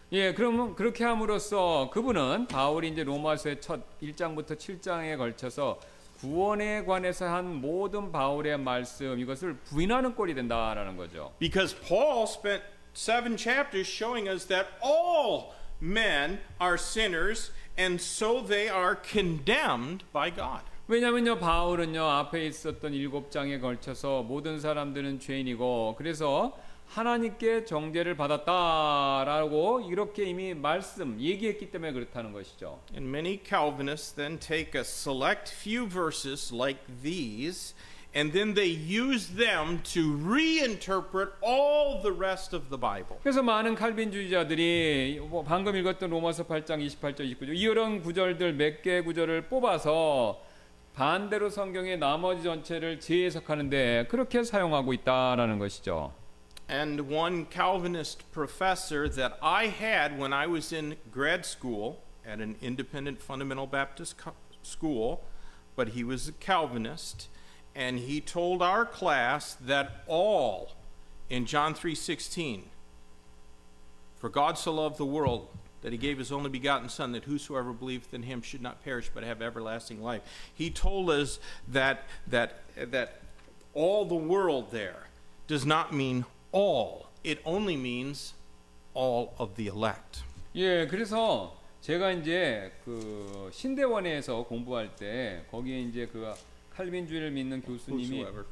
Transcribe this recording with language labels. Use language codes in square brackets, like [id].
[ko] 예, 그러면 그렇게 함으로써 그분은 바울이 이제 로마서의 첫 1장부터 7장에 걸쳐서 구원에 관해서 한 모든 바울의 말씀 이것을 부인하는 꼴이 된다라는 거죠. [en] Because Paul spent seven chapters showing us that all men are sinners and so they are condemned by God. [ko] 왜냐면요 바울은요 앞에 있었던 일곱 장에 걸쳐서 모든 사람들은 죄인이고 그래서 하나님께 정죄를 받았다라고 이렇게 이미 말씀 얘기했기 때문에 그렇다는 것이죠. [en] And many Calvinists then take a select few verses like these and then they use them to reinterpret all the rest of the Bible. [ko] 그래서 많은 칼빈주의자들이 뭐 방금 읽었던 로마서 8장 28절 29절 이런 구절들 몇 개 구절을 뽑아서 반대로 성경의 나머지 전체를 재해석하는데 그렇게 사용하고 있다라는 것이죠. [en] And one Calvinist professor that I had when I was in grad school at an independent fundamental Baptist school, but he was a Calvinist, and he told our class that all in John 3:16, for God so loved the world that he gave his only begotten son that whosoever believeth in him should not perish but have everlasting life. He told us that all the world there does not mean all. It only means all of the elect. [ko] 예, 그래서 제가 이제 그 신대원에서 공부할 때 거기에 이제 그 칼빈주의를 믿는 교수님이